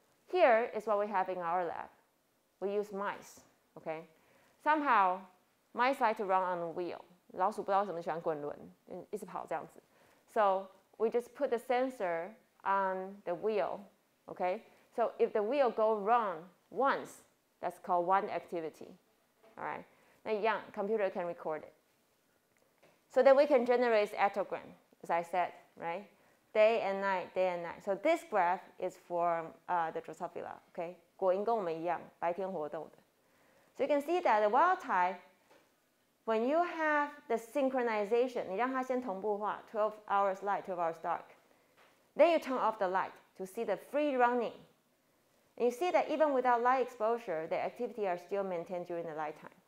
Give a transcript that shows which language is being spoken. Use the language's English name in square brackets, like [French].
[English] Here is what we have in our lab. We use mice, okay? Somehow, mice like to run on a wheel. [Chinese] 老鼠不知道什么喜欢滚轮,一直跑这样子. [English] So we just put the sensor on the wheel, okay? So if the wheel go wrong once, that's called one activity, all right? [Chinese] 那一样, [English] computer can record it. So then we can generate actogram, as I said, right? Day and night. So this graph is for the Drosophila, okay? [Chinese] 果蝇跟我们一样, 白天活动的. [English] So you can see that the wild type, when you have the synchronization, [Chinese] 你让它先同步化, [English] 12 hours light, 12 hours dark, then you turn off the light to see the free running. And you see that even without light exposure, the activity are still maintained during the light time.